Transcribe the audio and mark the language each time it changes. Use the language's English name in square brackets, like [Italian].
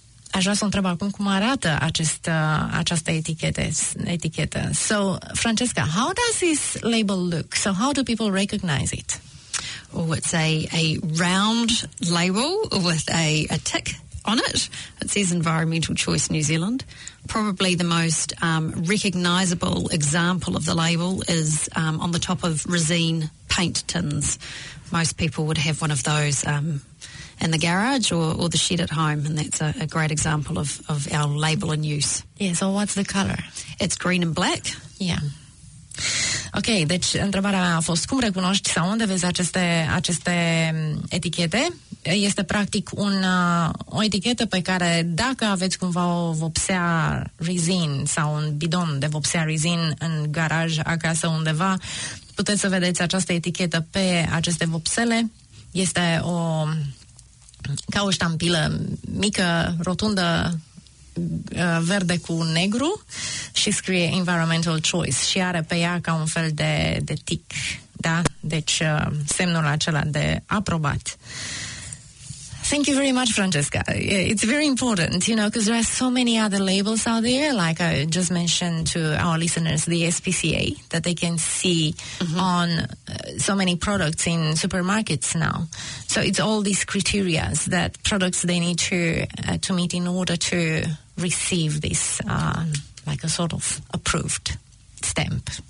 [Romanian] Aș vrea să întreb acum cum arată această etichetă. [English] So, Francesca, how does this label look? So, how do people recognize it? Oh, it's a round label with a tick on it. It says Environmental Choice New Zealand. Probably the most recognisable example of the label is on the top of Resene paint tins. Most people would have one of those in the garage or the shed at home, and that's a great example of our label in use. Yeah, so what's the colour? It's green and black. Yeah. [Romanian] Ok, deci întrebarea a fost cum recunoști sau unde vezi aceste etichete? Este practic o etichetă pe care dacă aveți cumva o vopsea Rizin sau un bidon de vopsea Rizin în garaj, acasă, undeva, puteți să vedeți această etichetă pe aceste vopsele. Este o ca o ștampilă mică, rotundă, verde cu negru și scrie Environmental Choice și are pe ea ca un fel de tic, da? Deci semnul acela de aprobat. [English] Thank you very much, Francesca. It's very important, you know, because there are so many other labels out there, like I just mentioned to our listeners, the SPCA, that they can see mm-hmm. on so many products in supermarkets now. So it's all these criteria that products they need to meet in order to receive this, like a sort of approved stamp.